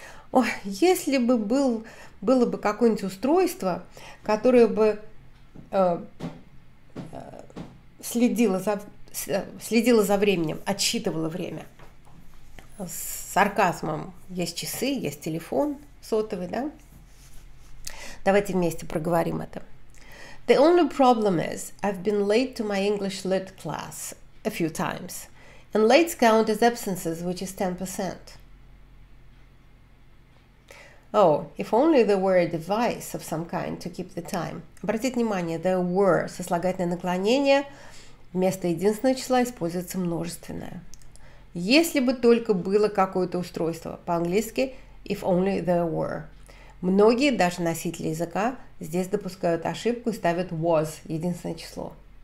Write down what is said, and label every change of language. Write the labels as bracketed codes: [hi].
[ru] Ой, если бы было бы какое-нибудь устройство, которое бы следила за временем, отсчитывала время. С сарказмом. Есть часы, есть телефон сотовый, да? Давайте вместе проговорим это. [en] The only problem is I've been late to my English lit class a few times. And late count is absences, which is 10%. Oh, if only there were a device of some kind to keep the time. [ru] Обратите внимание, [en] there were, [ru] сослагательное наклонение, вместо единственного числа используется множественное. Если бы только было какое-то устройство, по-английски [en] if only there were. [ru] Многие, даже носители языка, здесь допускают ошибку и ставят was, единственное число.